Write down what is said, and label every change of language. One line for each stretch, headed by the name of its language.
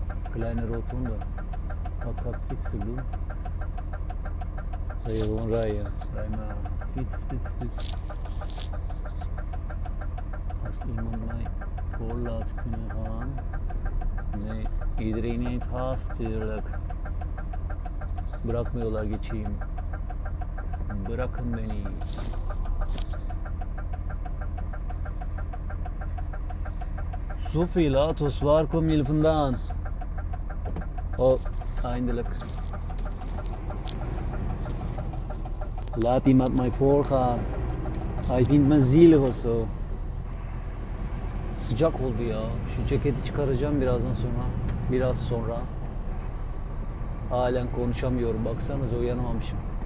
Dutch: Kleine rotonde. Wat gaat fietsen doen? Ga je gewoon rijden. Rij maar. Fiets, fiets, fiets. Als iemand mij voor laat kunnen gaan. Nee, iedereen heeft haast natuurlijk.
Turkish: Bırakmıyorlar geçeyim. Bırakın beni. Sofie Latos var kom yılfından.
Dutch: O eindelijk. Laat iemand mij voorgaan. Hij vindt me zielig of zo.
Turkish: Sıcak oldu ya. Şu ceketi çıkaracağım birazdan sonra. Biraz sonra. Halen konuşamıyorum. Baksanıza uyanamamışım.